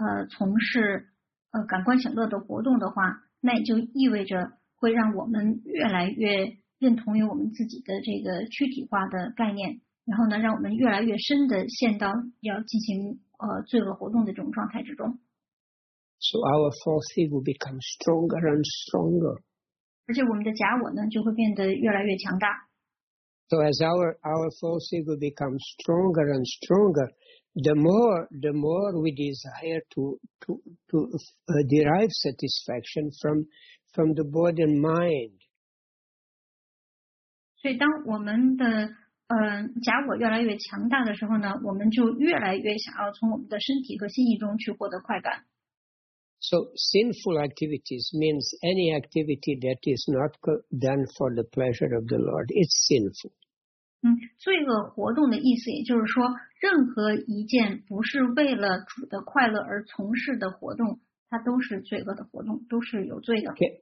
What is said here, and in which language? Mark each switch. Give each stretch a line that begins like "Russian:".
Chinese: 从事感官享乐的活动的话，那也就意味着会让我们越来越认同于我们自己的这个躯体化的概念，然后呢让我们越来越深的陷到要进行罪恶活动的这种状态之中。
English: So our false ego becomes stronger and stronger.
Chinese: 而且我们的假我呢就会变得越来越强大。
English: So as our false ego becomes stronger and stronger,The more we desire to derive satisfaction from the body and mind.
Chinese: 所以当我们的假我越来越强大的时候呢，我们就越来越想要从我们的身体和心意中去获得快感。
English: So sinful activities means any activity that is not done for the pleasure of the Lord. It's sinful.
Chinese: 罪恶活动的意思也就是说，任何一件不是为了主的快乐而从事的活动，它都是罪恶的活动，都是有罪的。